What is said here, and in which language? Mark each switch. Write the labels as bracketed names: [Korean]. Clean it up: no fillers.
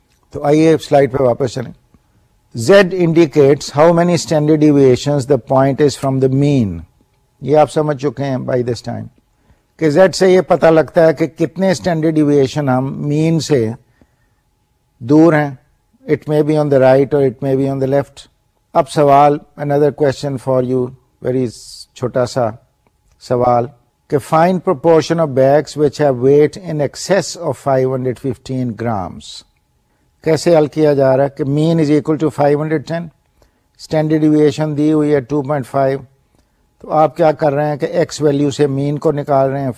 [Urdu] تو آئیے سلائیڈ پہ واپس چلیں. [English] Z indicates how many standard deviations the point is from the mean. [Urdu] یہ آپ سمجھ چکے ہیں [English] by this time [Urdu] کہ زیڈ سے یہ پتہ لگتا ہے کہ کتنے سٹینڈرڈ ڈیویشن ہم مین سے دور ہیں. [English] It may be on the right اور it may be on the left. [Urdu] اب سوال, [English] another question for you, [Urdu] very چھوٹا سا سوال, کہ [English] find proportion of bags which have weight in excess of 515 grams, [Urdu] کیسے حل کیا جا رہا ہے کہ [English] mean is equal to 510, [Urdu] standard deviation دی ہوئی ہے 2.5, تو آپ کیا کر رہے ہیں کہ ایکس ویلیو سے مین کو نکال رہے ہیں.